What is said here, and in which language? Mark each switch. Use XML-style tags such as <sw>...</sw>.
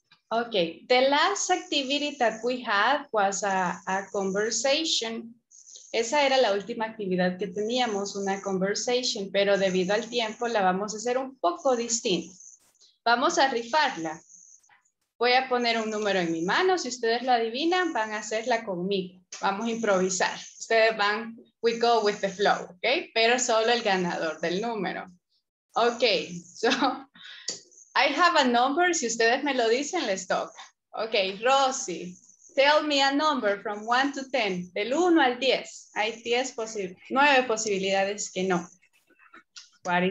<en>Okay, the last activity that we had was a conversation.</en> <es>Esa era la última actividad que teníamos, una conversation, pero debido al tiempo la vamos a hacer un poco distinta. Vamos a rifarla. Voy a poner un número en mi mano. Si ustedes lo adivinan, van a hacerla conmigo. Vamos a improvisar. Ustedes van,</es> <en>we go with the flow, okay?</en> <es>Pero solo el ganador del número.</es> <en>Okay, so I have a number.</en> <es>Si ustedes me lo dicen, les toca.</es> <en>Okay, Rosy, tell me a number from 1 to 10.</en> <es>Del 1 al 10. Hay 10 posibilidades, 9 posibilidades que no.</es> <en>What is</en>